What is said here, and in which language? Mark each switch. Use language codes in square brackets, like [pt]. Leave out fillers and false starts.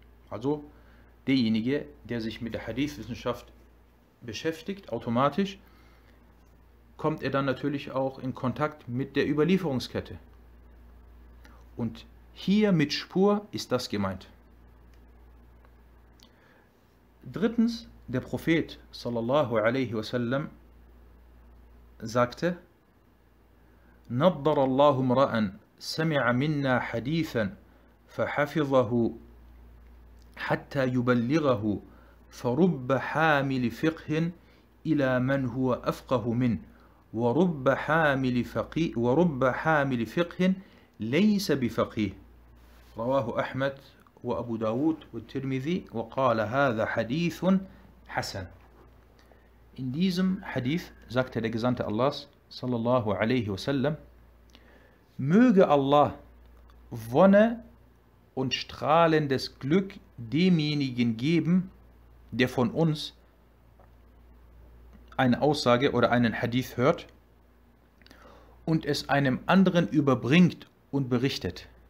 [de] Also derjenige, der sich mit der Hadith-Wissenschaft beschäftigt, automatisch, kommt er dann natürlich auch in Kontakt mit der Überlieferungskette. Und hier mit Spur ist das gemeint. Drittens, der Prophet [ar] sallallahu alaihi wasallam [de] sagte, [ar] نَضَّرَ اللَّهُ امْرَأً سَمِعَ مِنَّا حَدِيثًا فَحَفِظَهُ حَتَّى يُبَلِّغَهُ فَرُبَّ حَامِلِ فِقْهٍ إِلَى مَنْ هُوَ أَفْقَهُ مِنْ وَرُبَّ حَامِلِ فِقْهٍ لَيْسَ بِفَقِيهِ رَوَاهُ أَحْمَدْ وَأَبُوْ دَاوُدْ وَالْتِرْمِذِي وَقَالَ هَذَا حَدِيثٌ حَسَنٌ. [de] In diesem Hadith sagte der Gesandte Allahs, sallallahu alaihi wasallam, möge Allah Wonne und strahlendes Glück demjenigen geben, der von uns eine Aussage oder einen Hadith hört und es einem anderen überbringt und berichtet.